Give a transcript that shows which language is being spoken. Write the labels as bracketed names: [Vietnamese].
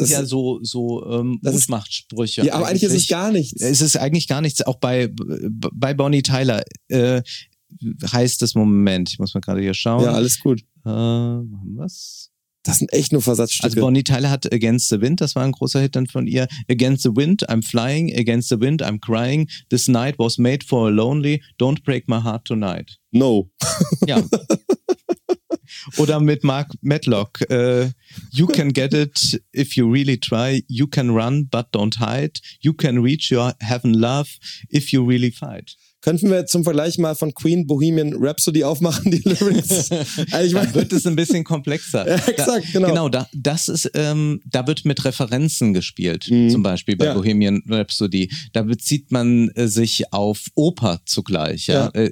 [German] Das sind Mutmachtsprüche. Ja, aber eigentlich ist es gar nichts. Es ist eigentlich gar nichts. Auch bei Bonnie Tyler heißt es, Moment, ich muss mal gerade hier schauen. Ja, alles gut. Machen wir es. Das sind echt nur Versatzstücke. Also Bonnie Tyler hat Against the Wind, das war ein großer Hit dann von ihr. [English] Against the Wind, I'm flying. Against the Wind, I'm crying. This night was made for a lonely. Don't break my heart tonight. No. [German] Ja. Oder mit Mark Medlock. [English] You can get it if you really try. You can run, but don't hide. You can reach your heaven love if you really fight. [German] Könnten wir zum Vergleich mal von Queen Bohemian Rhapsody aufmachen, die Lyrics? Ich meine, da wird es ein bisschen komplexer. Ja, exakt, genau. Genau, da wird mit Referenzen gespielt, zum Beispiel bei Bohemian Rhapsody. Da bezieht man sich auf Oper zugleich. Ja?